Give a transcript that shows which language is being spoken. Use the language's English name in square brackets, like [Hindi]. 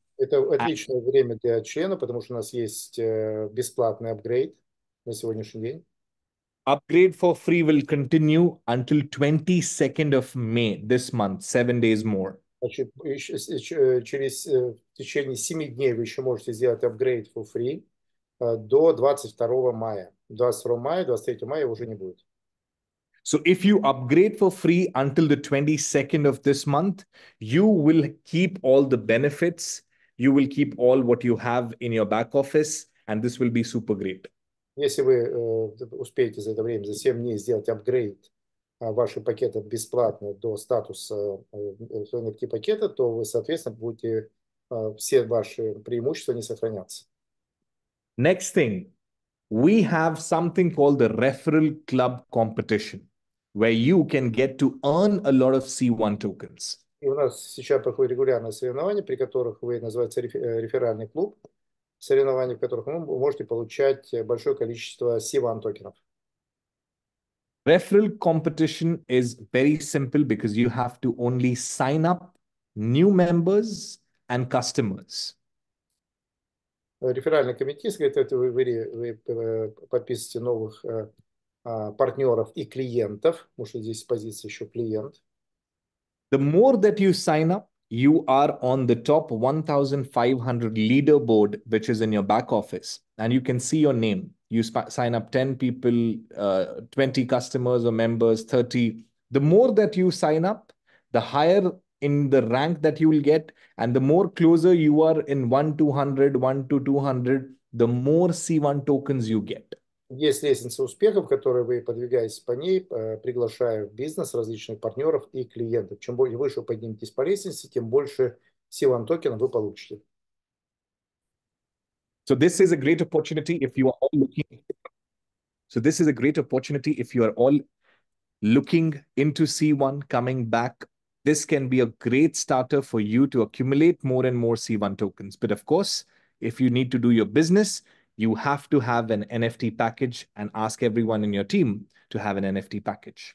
[Russian] Это отличное время для членов, потому что у нас есть бесплатный апгрейд на сегодняшний день. [English] Upgrade for free will continue until 22nd of May this month, 7 days more. [Russian] Значит, в течение 7 дней вы еще можете сделать [English] upgrade for free [Russian] до 22 мая. 22 мая, 23 мая уже не будет. [English] So if you upgrade for free until the 22nd of this month, you will keep all the benefits, you will keep all what you have in your back office, and this will be super great. [Russian] Если вы успеете за это время, за 7 дней сделать апгрейд ваших пакетов бесплатно до статуса NFT пакета, то вы, соответственно, будете все ваши преимущества не сохраняться. [English] Next thing. We have something called the referral club competition, where you can get to earn a lot of C1 tokens. [Russian] И у нас сейчас проходит регулярное соревнование, при которых вы называете реферальный клуб. Соревнования, в которых вы можете получать большое количество C1 токенов. [English] Referral competition is very simple because you have to only sign up new members and customers. [Russian] Реферальный комитет говорит, это вы подписываете новых партнеров и клиентов, потому что здесь позиция еще клиент. [English] The more that you sign up, you are on the top 1,500 leaderboard, which is in your back office, and you can see your name. You sign up 10 people, 20 customers or members, 30. The more that you sign up, the higher in the rank that you will get, and the more closer you are in 1-200, 1-200, the more C1 tokens you get. [Russian] Есть лестница успехов, которую вы подвигаетесь по ней, приглашая в бизнес различных партнеров и клиентов. Чем более выше вы подниметесь по лестнице, тем больше C1 токенов вы получите. [English] So this is a great opportunity if you are all looking. So this is a great opportunity if you are all looking into C1 coming back. This can be a great starter for you to accumulate more and more C1 tokens. But of course, if you need to do your business, you have to have an NFT package and ask everyone in your team to have an NFT package.